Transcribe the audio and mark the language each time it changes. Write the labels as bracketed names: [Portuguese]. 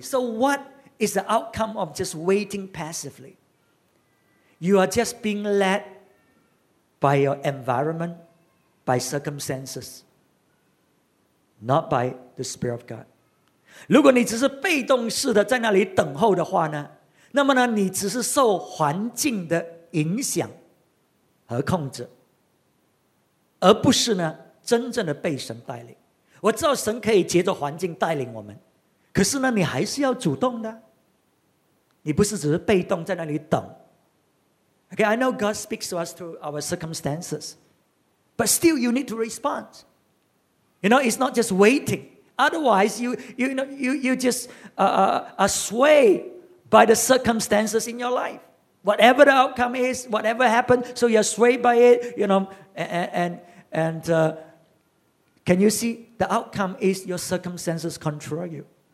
[English] So what is the outcome of just waiting passively? You are just being led by your environment, by circumstances, not by the Spirit of God. [Chinese] 如果你只是被动式的在那里等候的话呢，那么呢，你只是受环境的影响和控制，而不是呢真正的被神带领。我知道神可以借着环境带领我们，可是呢，你还是要主动的。你不是只是被动在那里等。 [English] Okay, I know God speaks to us through our circumstances, but still you need to respond. You know, it's not just waiting. Otherwise, you know, you just are swayed by the circumstances in your life. Whatever the outcome is, whatever happened, so you're swayed by it, you know, can you see the outcome is your circumstances control you.